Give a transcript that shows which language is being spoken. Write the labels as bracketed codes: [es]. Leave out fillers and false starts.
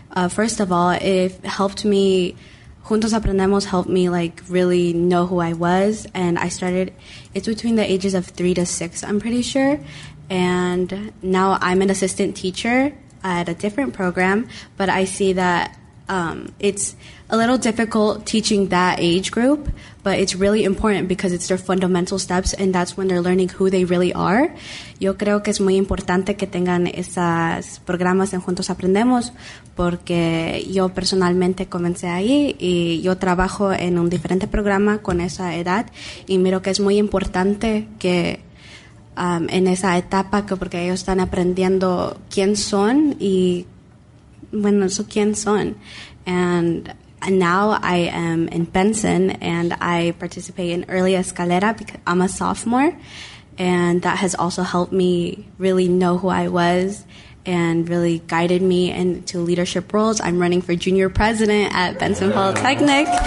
[en] First of all, it helped me, Juntos Aprendemos helped me like really know who I was, and I started, it's between the ages of 3 to 6, I'm pretty sure. And now I'm an assistant teacher at a different program, but I see that it's a little difficult teaching that age group, but it's really important because it's their fundamental steps, and that's when they're learning who they really are. [es] Yo creo que es muy importante que tengan esas programas en Juntos Aprendemos, porque yo personalmente comencé ahí, y yo trabajo en un diferente programa con esa edad, y miro que es muy importante que en esa etapa, que porque ellos están aprendiendo quién son y bueno, so quién son. [en] And now I am in Benson, and I participate in Early Escalera because I'm a sophomore, and that has also helped me really know who I was and really guided me into leadership roles. I'm running for junior president at Benson Polytechnic.